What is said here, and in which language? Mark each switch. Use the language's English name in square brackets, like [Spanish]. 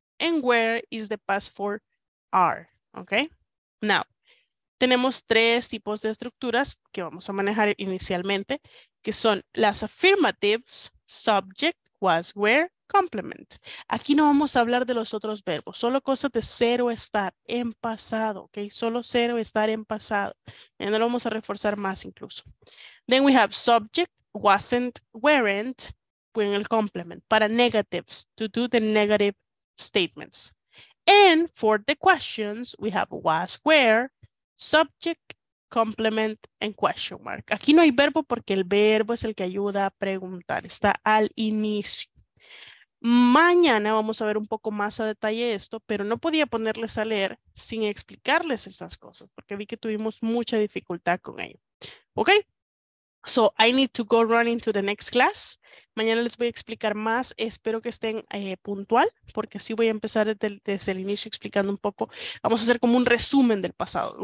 [English] And where is the past for are. [Spanish] Ok. Now, tenemos tres tipos de estructuras que vamos a manejar inicialmente, que son las affirmatives. Subject, was, where, complement. Aquí no vamos a hablar de los otros verbos, solo cosas de ser o estar en pasado, ¿ok? Solo ser o estar en pasado. Ya no lo vamos a reforzar más incluso. [English] Then we have subject, wasn't, weren't, when el complement. Para negatives, to do the negative statements. And for the questions, we have was, where, subject, complement, and question mark. [Spanish] Aquí no hay verbo porque el verbo es el que ayuda a preguntar. Está al inicio. Mañana vamos a ver un poco más a detalle esto, pero no podía ponerles a leer sin explicarles estas cosas porque vi que tuvimos mucha dificultad con ello. ¿Ok? [English] So I need to go running to the next class. [Spanish] Mañana les voy a explicar más. Espero que estén puntual porque sí voy a empezar desde el inicio explicando un poco. Vamos a hacer como un resumen del pasado.